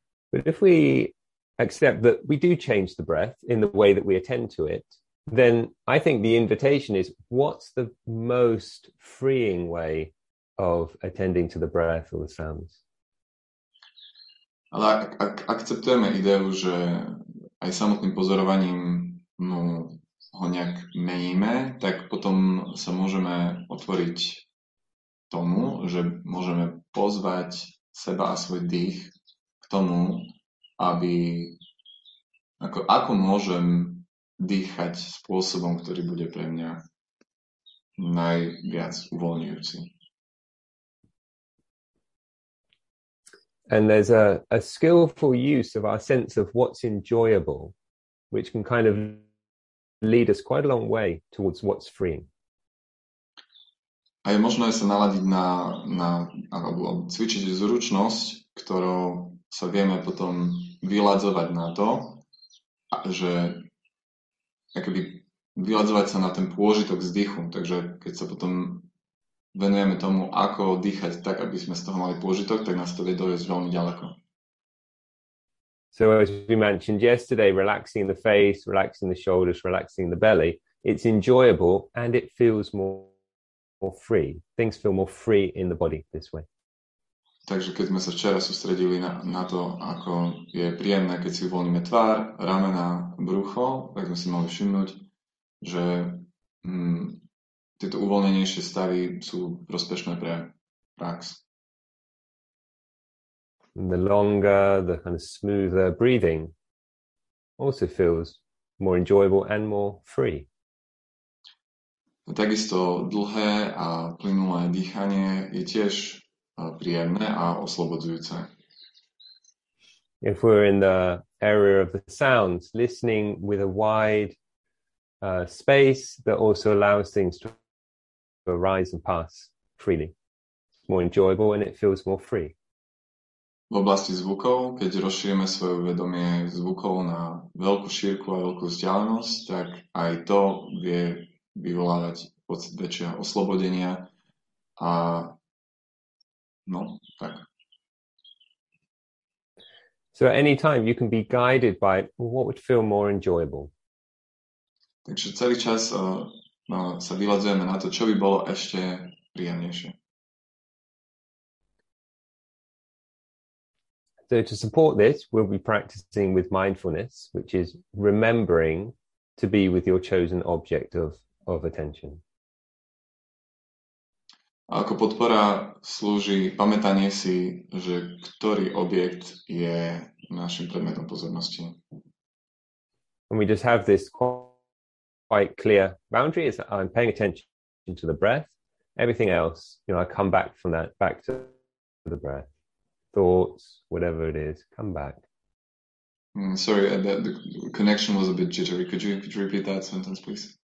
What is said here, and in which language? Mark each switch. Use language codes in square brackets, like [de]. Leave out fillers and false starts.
[en] But if we accept that we do change the breath in the way that we attend to it, then I think the invitation is, what's the most freeing way of attending to the breath or the sounds? [sk] Ale ak akceptujeme ideu, že aj samotným pozorovaním ho nejak meníme, tak potom sa môžeme otvoriť tomu, že môžeme pozvať seba a svoj dých k tomu, aby ako môžem dýchať spôsobom, ktorý bude pre mňa najviac uvoľňujúci. [en] And there's a skillful use of our sense of what's enjoyable, which can kind of lead us quite a long way towards what's freeing. [sk] A je možné sa naladiť na alebo cvičiť zručnosť, ktorou sa vieme potom vyladzovať na to, že akoby vyladzovať sa na ten pôžitok z dýchu. Takže keď sa potom venujeme tomu, ako dýchať tak, aby sme z toho mali pôžitok, tak nás to vie dojesť veľmi ďaleko. [en] So as we mentioned yesterday, relaxing the face, relaxing the shoulders, relaxing the belly, it's enjoyable and it feels more free. Things feel more free in the body this way. [sk] Takže keď sme sa včera sústredili na to, ako je príjemné, keď si uvoľníme tvár, ramena, brucho, tak sme si mohli všimnúť, že tieto uvoľnenejšie stavy sú prospešné pre prax. [en] The longer, the kind of smoother breathing also feels more enjoyable and more free. [sk] Takisto dlhé a plynulé dýchanie je tiež príjemné a oslobodzujúce. [en] If we're in the area of the sounds, listening with a wide space that also allows things to arise and pass freely. It's more enjoyable and it feels more free. [sk] V oblasti zvukov, keď rozšírime svoje vedomie zvukov na veľkú šírku a veľkú vzdialenosť, tak aj to vie vyvolávať pocit väčšieho oslobodenia A no, tak. [en] So at any time you can be guided by what would feel more enjoyable. [sk] Takže celý čas sa vyladzujeme na to, čo by bolo ešte príjemnejšie. [en] So to support this, we'll be practicing with mindfulness, which is remembering to be with your chosen object of attention. [sk] A ako podpora slúži pamätanie si, že ktorý objekt je našim predmetom pozornosti. [en] And we just have this quite clear boundary is that I'm paying attention to the breath. Everything else, you know, I come back from that, back to the breath. Thoughts, whatever it is, come back. Sorry, the connection was a bit jittery. Could you repeat that sentence, please?